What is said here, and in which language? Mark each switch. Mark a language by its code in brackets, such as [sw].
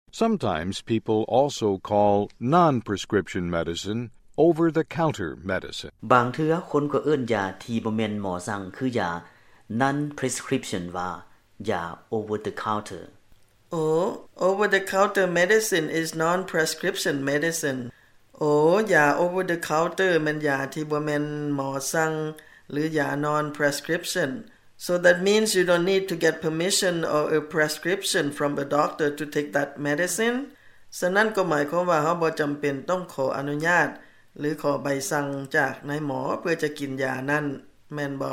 [en] Sometimes people also call non-prescription medicine over-the-counter medicine. [tts] บางเทื่อคนก็เอิ้นยาที่บ่แม่นหมอสั่งคือยา non-prescription ว่ายา over-the-counter. [en] Oh, over-the-counter medicine is non-prescription medicine. [tts] โอ้ยา over the counter มันยาที่บ่แม่นหมอสั่งหรือยา non prescription [en] so that means you don't need to get permission or a prescription from a doctor to take that medicine [tts] ฉะนั้นก็หมายความว่าเฮาบ่จําเป็นต้องขออนุญาตหรือขอใบสั่งจากนายหมอเพื่อจะกินยานั้นแม่นบ